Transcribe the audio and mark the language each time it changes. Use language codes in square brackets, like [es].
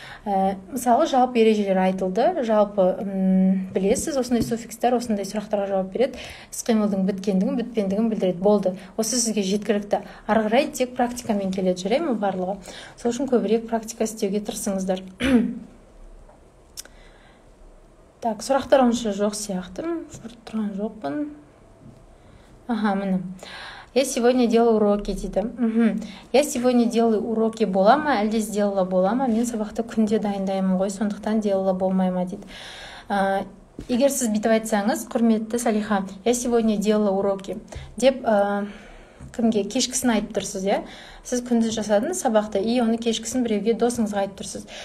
[kk] Мысалы, жалпы ережелер айтылды, жалпы білесіз, осындай суффикстар, осындай сұрақтарға жауап береді, іс-қимылдың біткендігін, бітпендігін білдіреді, болды. Осы сізге жеткілікті. Ары қарай тек практикамен келеді, жүре ме барлығы? Сол үшін көбірек практика істеуге тырысыңыздар. Так, сұрақтар онша жоқ сияқты, жүріп тұрған жоқпын. [ru] Аха, міне. Я сегодня делаю уроки, дейді. Я сегодня делаю уроки, бола ма, әлде сделала, бола ма. [kk] Мен сабақты күнде дайындаймын ғой, сондықтан делала, болмай ма, дейді. Егер сіз бүйтіп айтсаңыз, құрметті Салиха, я сегодня делала уроки, деп, кімге, кешкісін айтып тұрсыз, е? Сіз күнде жасадыңыз сабақты, и оны кешкісін біреуге досыңызға айтып тұрсыз.